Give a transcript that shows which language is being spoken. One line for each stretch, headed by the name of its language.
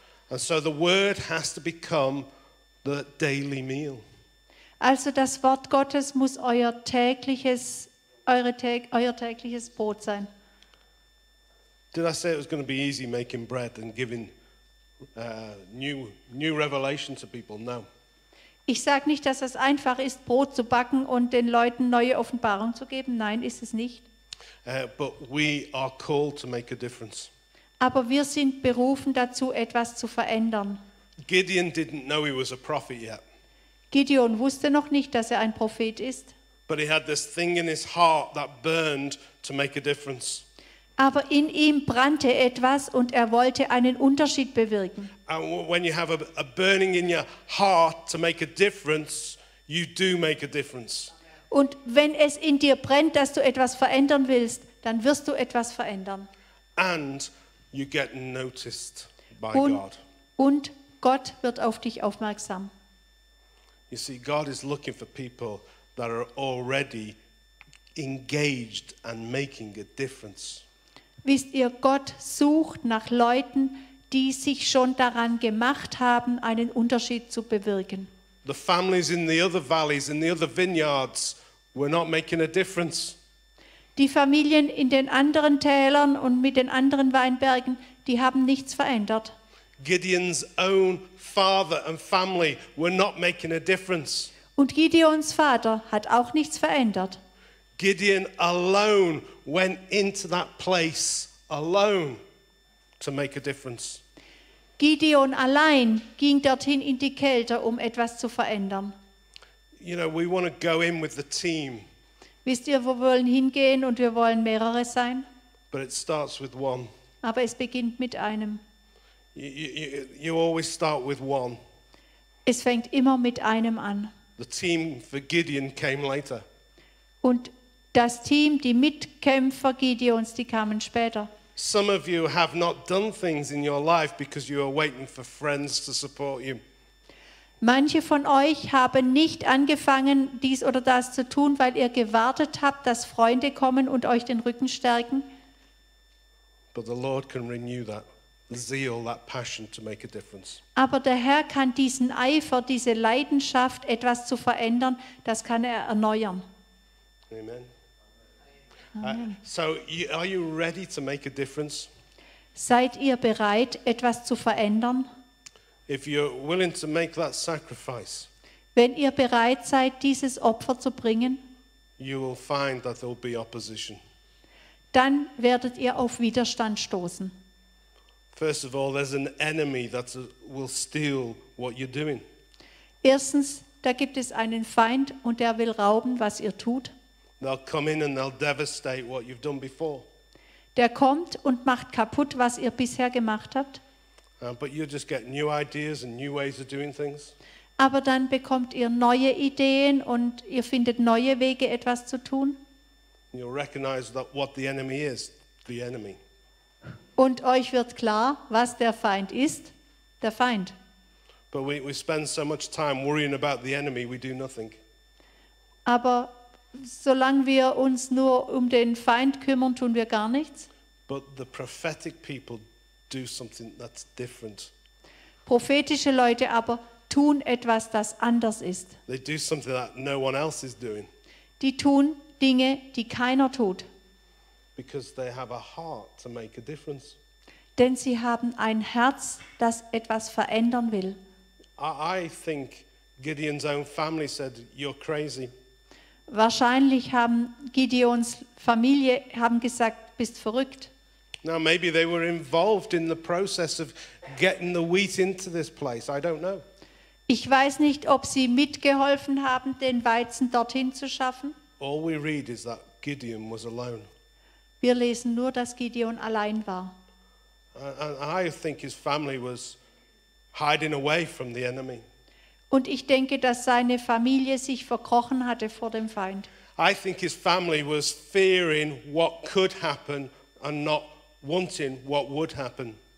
English: And so the word has to become the daily meal.
German: Also das Wort Gottes muss euer tägliches Brot sein.
English: Did I say it was going to be easy making bread and giving new revelation to people? No.
German: Ich sage nicht, dass es einfach ist, Brot zu backen und den Leuten neue Offenbarung zu geben. Nein, ist es nicht.
English: But we are called to make a difference.
German: Aber wir sind berufen dazu, etwas zu verändern.
English: Gideon didn't know he was a prophet yet.
German: Gideon wusste noch nicht, dass er ein Prophet ist.
English: But he had this thing in his heart that burned to make a difference.
German: Aber in ihm brannte etwas und er wollte einen Unterschied bewirken.
English: And when you have a burning in your heart to make a difference, you do make a difference.
German: Und wenn es in dir brennt, dass du etwas verändern willst, dann wirst du etwas verändern.
English: And you get noticed by God.
German: Und Gott wird auf dich aufmerksam.
English: You see, God is looking for people that are already engaged and making a difference.
German: Wisst ihr, Gott sucht nach Leuten, die sich schon daran gemacht haben, einen Unterschied zu bewirken.
English: The families in the other valleys, in the other vineyards, were not making a difference.
German: Die Familien in den anderen Tälern und mit den anderen Weinbergen, die haben nichts verändert.
English: Gideon's own father and family were not making a difference.
German: Und Gideons Vater hat auch nichts verändert.
English: Gideon alone went into that place alone to make a difference.
German: Gideon allein ging dorthin in die Kälte, um etwas zu verändern.
English: You know, we want to go in with the team.
German: Wisst ihr, wir wollen hingehen und wir wollen mehrere sein.
English: But it starts with one.
German: Aber es beginnt mit einem.
English: You always start with one.
German: Es fängt immer mit einem an.
English: The team for Gideon came later.
German: Und das Team, die Mitkämpfer Gideons, die kamen später.
English: Some of you have not done things in your life because you are waiting for friends to support you.
German: Manche von euch haben nicht angefangen, dies oder das zu tun, weil ihr gewartet habt, dass Freunde kommen und euch den Rücken stärken.
English: But the Lord can renew that zeal, that passion to make a difference.
German: Aber der Herr kann diesen Eifer, diese Leidenschaft, etwas zu verändern, das kann er erneuern.
English: Amen. So, are you ready to make a difference?
German: Seid ihr bereit, etwas zu verändern?
English: If you're willing to make that sacrifice,
German: wenn ihr bereit seid, dieses Opfer zu bringen,
English: you will find that there'll be opposition.
German: Dann werdet ihr auf Widerstand stoßen.
English: First of all, there's an enemy that will steal what you're doing.
German: Erstens, da gibt es einen Feind und der will rauben, was ihr tut.
English: They'll come in and they'll devastate what you've done before.
German: Der kommt und macht kaputt, was ihr bisher gemacht habt.
English: But you just get new ideas and new ways of doing things.
German: Aber dann bekommt ihr neue Ideen und ihr findet neue Wege, etwas zu tun.
English: You'll recognize that what the enemy is, the enemy.
German: Und euch wird klar, was der Feind ist, der Feind.
English: But we spend so much time worrying about the enemy, we do nothing.
German: Aber solange wir uns nur um den Feind kümmern, tun wir gar nichts.
English: But the prophetic people do something that's different.
German: Prophetische Leute aber tun etwas, das anders ist.
English: They do something that no one else is doing.
German: Die tun Dinge, die keiner tut.
English: Because they have a heart to make a difference.
German: Denn sie haben ein Herz, das etwas verändern will.
English: I think Gideon's own family said, "You're crazy."
German: Wahrscheinlich haben Gideons Familie haben gesagt, bist verrückt.
English: Now maybe they were involved in the process of getting the wheat into this place. I don't know.
German: Ich weiß nicht, ob sie mitgeholfen haben, den Weizen dorthin zu schaffen.
English: All we read is that Gideon was alone.
German: Wir lesen nur, dass Gideon allein war.
English: And I think his family was hiding away from the enemy.
German: Und ich denke, dass seine Familie sich verkrochen hatte vor dem Feind.
English: I think his family was fearing what could happen and not wanting what would happen.